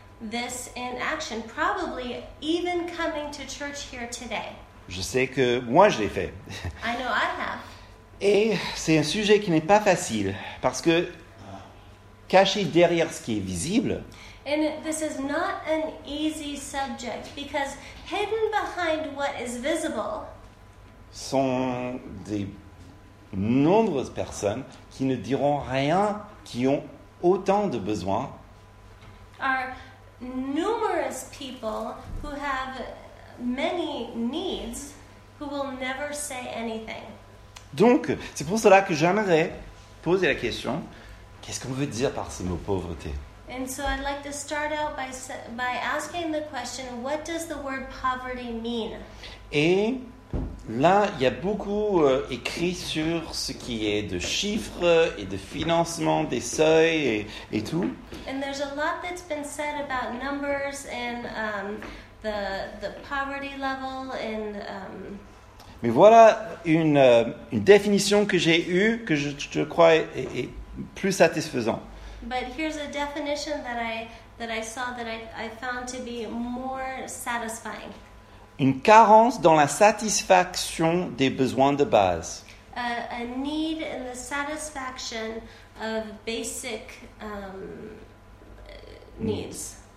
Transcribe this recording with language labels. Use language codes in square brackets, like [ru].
[en] This in action, probably even coming to church here today. [fr] Je sais que moi je l'ai fait. [en] I know I have. [fr] Et c'est un sujet qui n'est pas facile parce que caché derrière ce qui est visible. [en] And this is not an easy subject because hidden behind what is visible. [fr] Sont des nombreuses personnes qui ne diront rien, qui ont autant de besoins. [en] Are numerous people who have many needs who will never say anything. [fr] Donc, c'est pour cela que j'aimerais poser la question, qu'est-ce qu'on veut dire par ce mot pauvreté? [en] And so I'd like to start out by asking the question, what does the word poverty mean? [fr] Et là, il y a beaucoup écrit sur ce qui est de chiffres et de financement, des seuils et tout. [en] And there's a lot that's been said about numbers and the poverty level and. [fr] Mais voilà une définition que j'ai eue que je crois est plus satisfaisante. [en] But here's a definition that I saw that I found to be more satisfying. [fr] Une carence dans la satisfaction des besoins de base. [en] A need in the satisfaction of basic needs.